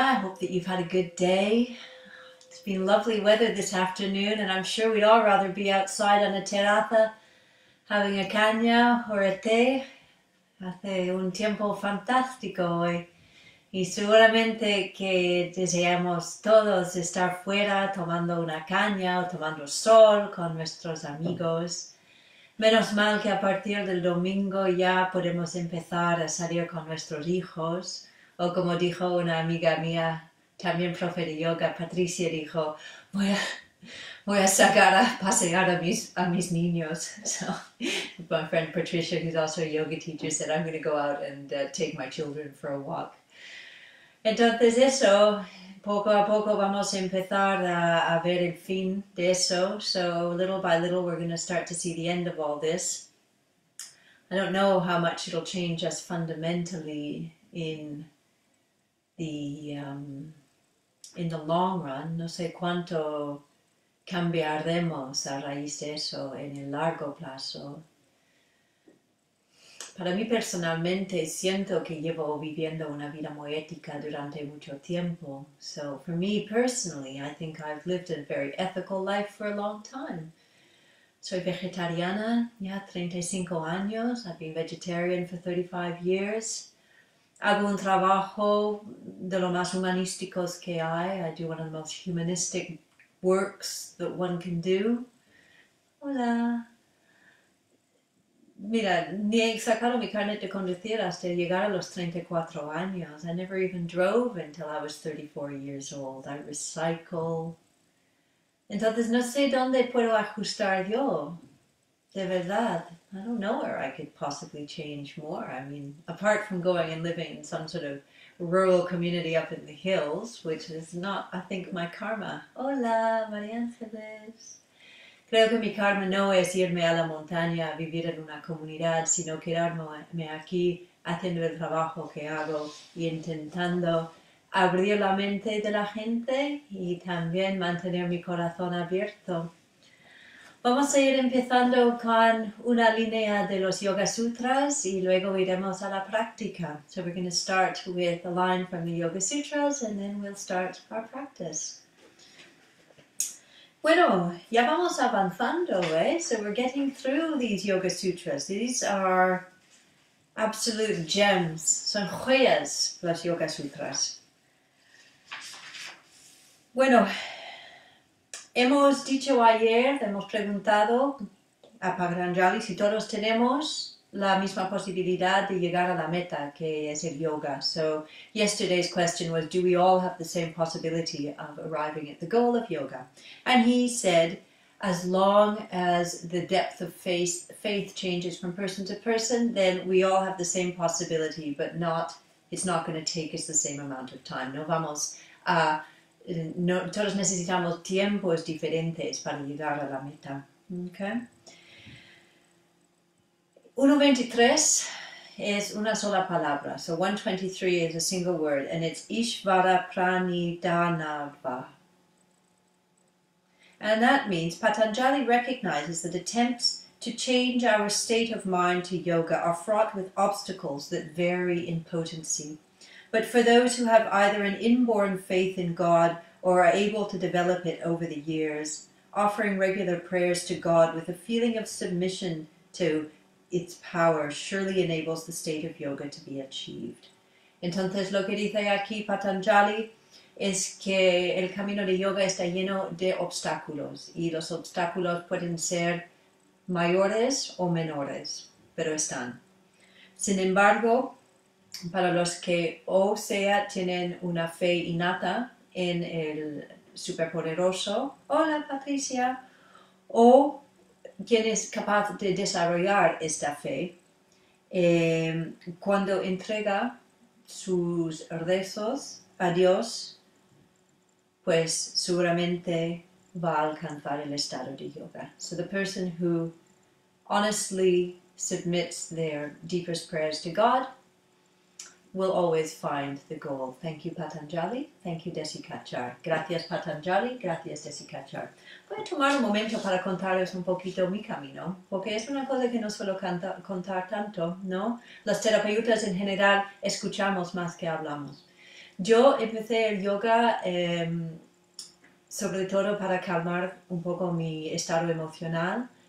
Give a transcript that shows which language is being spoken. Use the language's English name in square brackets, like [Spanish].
[English] I hope that you've had a good day. It's been lovely weather this afternoon, and I'm sure we'd all rather be outside on a terraza having a caña or a té. [Spanish] Hace un tiempo fantástico hoy. Y seguramente que deseamos todos estar fuera tomando una caña o tomando sol con nuestros amigos. Menos mal que a partir del domingo ya podemos empezar a salir con nuestros hijos. O como dijo una amiga mía, también profe de yoga, Patricia, dijo, voy a sacar a pasear a mis niños. [English] So, my friend Patricia, who's also a yoga teacher, said, I'm going to go out and take my children for a walk. [Spanish] Entonces eso, poco a poco vamos a empezar a ver el fin de eso. [English] So, little by little, we're going to start to see the end of all this. I don't know how much it'll change us fundamentally in the long run. [Spanish] No sé cuánto cambiaremos a raíz de eso en el largo plazo. Para mí personalmente siento que llevo viviendo una vida muy ética durante mucho tiempo. [English] So for me personally, I think I've lived a very ethical life for a long time. [Spanish] Soy vegetariana ya 35 años. [English] I've been vegetarian for 35 years. [Spanish] Hago un trabajo de lo más humanísticos que hay. [English] I do one of the most humanistic works that one can do. [Spanish] Hola. Mira, ni he sacado mi carnet de conducir hasta llegar a los 34 años. [English] I never even drove until I was 34 years old. I recycle. [Spanish] Entonces, no sé dónde puedo ajustar yo. De verdad. [English] I don't know where I could possibly change more. I mean, apart from going and living in some sort of rural community up in the hills, which is not, I think, my karma. [Spanish] Hola, María Ángeles. Creo que mi karma no es irme a la montaña a vivir en una comunidad, sino quedarme aquí haciendo el trabajo que hago y intentando abrir la mente de la gente y también mantener mi corazón abierto. Vamos a ir empezando con una línea de los Yoga Sutras y luego iremos a la práctica. [English] So we're going to start with a line from the Yoga Sutras and then we'll start our practice. [Spanish] Bueno, ya vamos avanzando, ¿eh? [English] So we're getting through these Yoga Sutras. These are absolute gems. [Spanish] Son joyas, las Yoga Sutras. Bueno, hemos dicho ayer, hemos preguntado a Patanjali si todos tenemos la misma posibilidad de llegar a la meta, que es el yoga. [English] So yesterday's question was, do we all have the same possibility of arriving at the goal of yoga? And he said, as long as the depth of faith changes from person to person, then we all have the same possibility, but not, it's not going to take us the same amount of time. [Spanish] No vamos a, no, todos necesitamos tiempos diferentes para llegar a la meta. [English] Okay? 1.23 [Spanish] es una sola palabra, [English] so 1.23 is a single word, and it's Ishvara Pranidhanava. And that means Patanjali recognizes that attempts to change our state of mind to yoga are fraught with obstacles that vary in potency. But for those who have either an inborn faith in God or are able to develop it over the years, offering regular prayers to God with a feeling of submission to its power surely enables the state of yoga to be achieved. [Spanish] Entonces, lo que dice aquí Patanjali es que el camino de yoga está lleno de obstáculos y los obstáculos pueden ser mayores o menores, pero están. Sin embargo, para los que o sea tienen una fe innata en el superpoderoso, hola Patricia, o quien es capaz de desarrollar esta fe, cuando entrega sus rezos a Dios, pues seguramente va a alcanzar el estado de yoga. [English] So the person who honestly submits their deepest prayers to God will always find the goal. Thank you, Patanjali. Thank you, Desikachar. [Spanish] Gracias, [English] Patanjali. [Spanish] Gracias, Desikachar. Voy a tomar un momento para contaros un poquito mi camino, porque es una cosa que no suelo contar tanto, ¿no? Las terapeutas en general escuchamos más que hablamos. Yo empecé el yoga sobre todo para calmar un poco mi estado emocional.